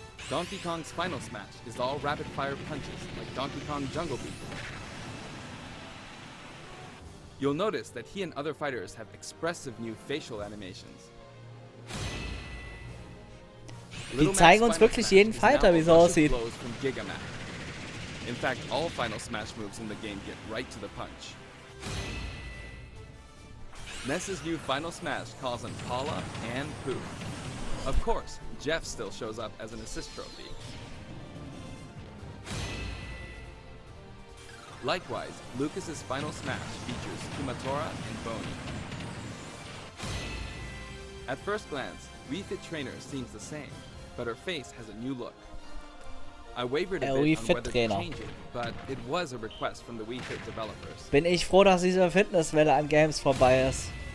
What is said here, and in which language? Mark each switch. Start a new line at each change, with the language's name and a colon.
English: Donkey Kong's final smash is all rapid-fire punches, like Donkey Kong Jungle Beat. You'll notice that he and other fighters have expressive new facial animations.
German: Die zeigen uns wirklich jeden Fighter, wie es aussieht.
English: In fact, all final smash moves in the game get right to the punch. Ness's new final smash calls on Paula and Pooh. Of course, Jeff still shows up as an assist trophy. Likewise, Lucas's final smash features Kumatora and Bony. At first glance, Wii Fit Trainer seems the same, but her face has a new look. I wavered a bit on whether to change it, but it was a request from the Wii Fit developers.
German: Bin ich froh, dass diese Fitnesswelle an Games vorbei ist.